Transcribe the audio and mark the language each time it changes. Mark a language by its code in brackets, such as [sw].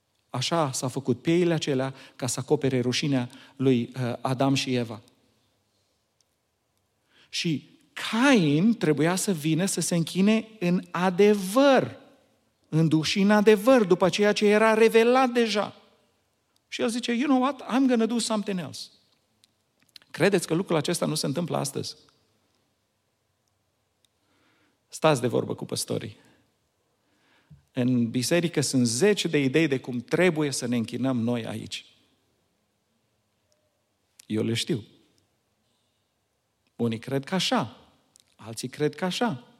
[ro] Așa s-a făcut pieile acelea ca să acopere rușinea lui Adam și Eva. Și Cain trebuia să vină să se închine în adevăr, în duh și în adevăr, după ceea ce era revelat deja. Și el zice, [en] you know what, I'm gonna do something else. [ro] Credeți că lucrul acesta nu se întâmplă astăzi? Stați de vorbă cu păstorii. În biserică sunt zeci de idei de cum trebuie să ne închinăm noi aici. Eu le știu. Unii cred că așa, alții cred că așa.